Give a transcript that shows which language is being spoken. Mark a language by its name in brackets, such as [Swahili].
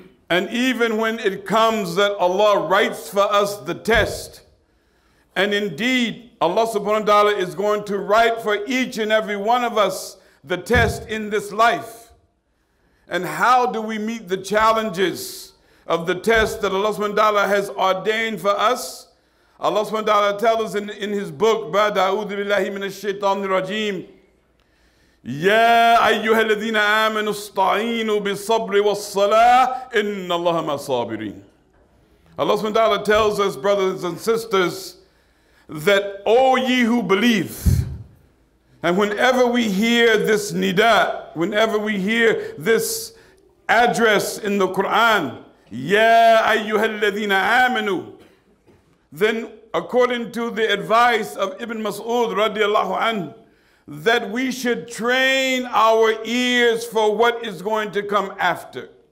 [English] And even when it comes that Allah writes for us the test, and indeed Allah subhanahu wa ta'ala is going to write for each and every one of us the test in this life. And how do we meet the challenges of the test that Allah subhanahu wa ta'ala has ordained for us? Allah subhanahu wa ta'ala tells us in His book, [Arabic] بَعْدَعُوذِ بِاللَّهِ مِنَ الشَّيْطَانِ الرَّجِيمِ يَا أَيُّهَا الَّذِينَ آمَنُوا اسْتَعِينُوا بِالصَّبْرِ وَالصَّلَاةِ إِنَّ اللَّهَ مَعَ الصَّابِرِينَ. [English] Allah subhanahu wa ta'ala tells us, brothers and sisters, that O ye who believe, and whenever we hear this nida, whenever we hear this address in the Quran, [Arabic] يَا أَيُّهَا الَّذِينَ آمَنُوا, [English] then according to the advice of Ibn Mas'ud radiallahu anhu, that we should train our ears for what is going to come after.